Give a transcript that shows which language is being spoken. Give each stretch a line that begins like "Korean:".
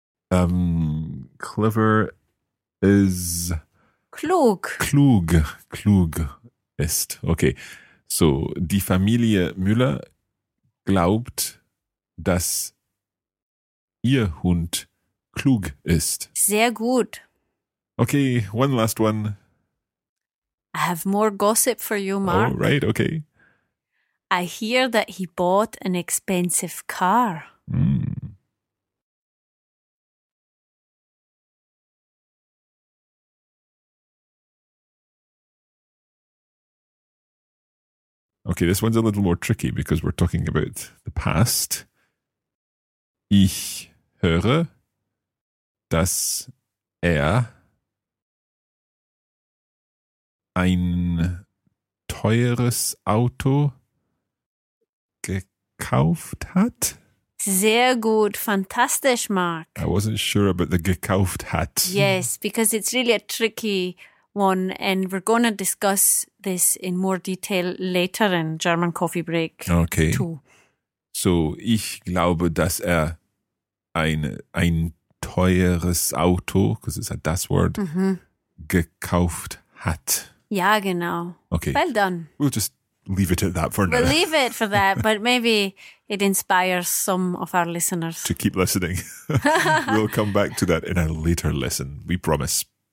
English: Clever is.
German: Klug ist. Okay. So, die Familie Müller glaubt, dass ihr Hund klug ist. Sehr gut.
English: Okay, one last one. I have more gossip for you, Mark. Oh, right, okay. I hear that he bought an expensive car. Okay, this one's a little more tricky because we're talking about the past.
German: Ich höre, dass ein teures Auto gekauft hat. Sehr gut, fantastisch, Mark.
English: I wasn't sure about the
German: gekauft hat.
English: Yes, because it's really a tricky one, and we're going to discuss this in more detail later in German Coffee Break. Okay. Two.
German: So, ich glaube, dass ein teures Auto,
English: because it's a das word,
German: gekauft hat. Ja, genau.
English: Okay. Well done. We'll just leave it at that for now. We'll leave it for that, but maybe it inspires some of our listeners to keep listening. We'll come back to that in a later lesson. We promise.